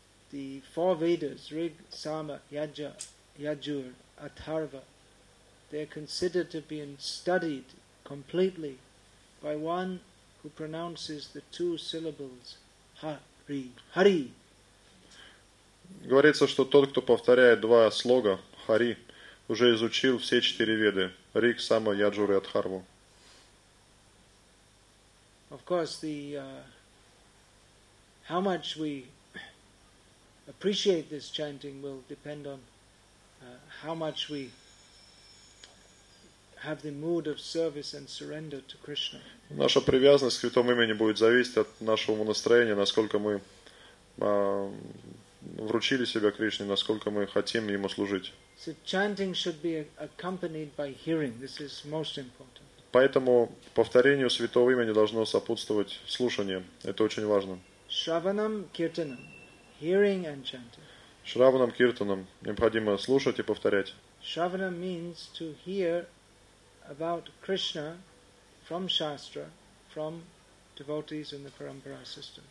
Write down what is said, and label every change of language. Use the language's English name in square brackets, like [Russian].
[English] The four Vedas, Rig, Sama, Yaja, Yajur, Atharva, they are considered to be studied completely by one who pronounces the two syllables Hari, Hari. [Russian] Говорится, что тот, кто повторяет два слога Хари, уже изучил все четыре веды: Риг, Сама, Яджур и Адхарву. [English] Of course, the how much we appreciate this chanting will depend on how much we have the mood of service and surrender to Krishna. [Russian] Наша привязанность к святому имени будет зависеть от нашего настроения, насколько мы вручили себя Кришне, насколько мы хотим Ему служить. [English] So chanting should be accompanied by hearing. This is most important. [Russian] Поэтому повторению святого имени должно сопутствовать слушание. Это очень важно. [Sanskrit] Shravanam kirtanam. [English] Hearing and chanting. [Sanskrit] Shravanam kirtanam. [Russian] Необходимо слушать и повторять. [English] Shravanam means to hear about Krishna from Shastra, from devotees in the Parampara system.